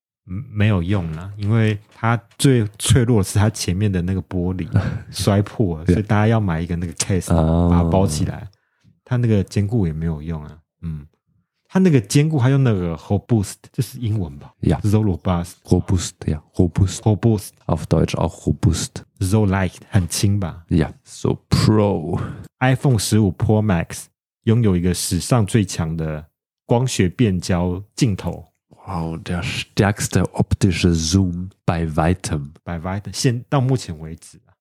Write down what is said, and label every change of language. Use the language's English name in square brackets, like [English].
[Chinese] 没有用了，因为它最脆弱的是它前面的那个玻璃摔破了，所以大家要买一个那个 case 把它包起来。它那个坚固也没有用啊，嗯，它那个坚固还用那个 robust， 就是英文吧？Yeah, [English] so robust, robust, yeah, robust, robust. [German] Auf Deutsch auch robust. [English] So light, [Chinese] 很轻吧 [English] ？Yeah, so pro. [Chinese] iPhone 15 Pro Max 拥有一个史上最强的光学变焦镜头。 [German] Wow, der stärkste optische Zoom bei weitem. [Chinese] Bei weitem, 先到目前为止。